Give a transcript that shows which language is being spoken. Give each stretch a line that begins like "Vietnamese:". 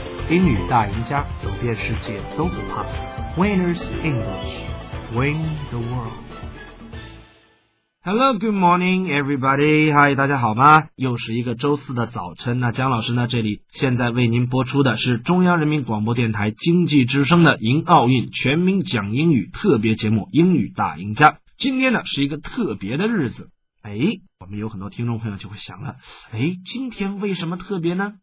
Chinese: 英语大赢家，走遍世界都不怕。
English: Winners English Win the World。 Hello, good morning, everybody.
Chinese: Hi, 大家好吗？又是一个周四的早晨，那江老师呢，这里现在为您播出的是中央人民广播电台经济之声的迎奥运全民讲英语特别节目英语大赢家。今天呢，是一个特别的日子。哎，我们有很多听众朋友就会想了，哎，今天为什么特别呢？